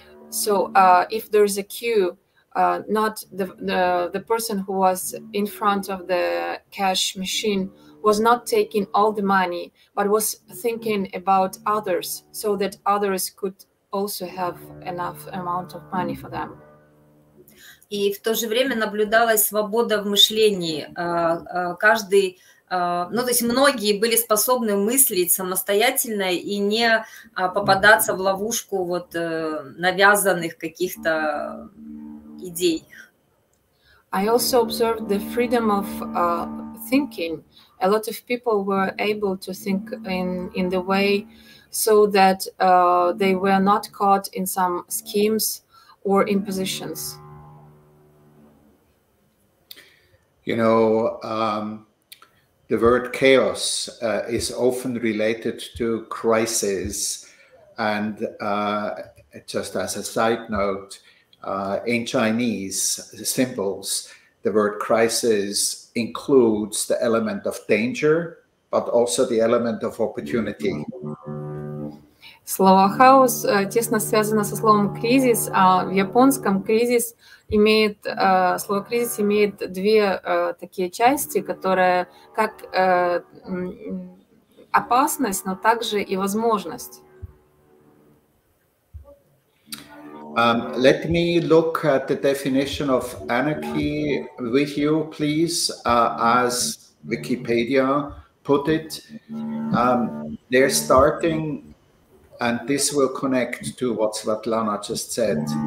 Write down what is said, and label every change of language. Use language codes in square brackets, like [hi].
[en] So if there is a queue, not the person who was in front of the cash machine was not taking all the money, but was thinking about others, so that others could also have enough amount of money for them. [ru] И в то же время наблюдалась свобода в мышлении. Каждый, ну то есть многие были способны мыслить самостоятельно и не попадаться в ловушку вот навязанных каких-то идей. [en] I also observed the freedom of thinking. A lot of people were able to think in the way so that they were not caught in some schemes or impositions. You know, the word chaos is often related to crisis, and just as a side note, in Chinese symbols, the word crisis includes the element of danger, but also the element of opportunity. [ru] Слово хаос тесно связано со словом кризис, а в японском кризис имеет слово кризис имеет две такие части, которые как опасность, но также и возможность. [en] Let me look at the definition of anarchy with you, please, as Wikipedia put it. They're starting, and this will connect to what Svetlana just said.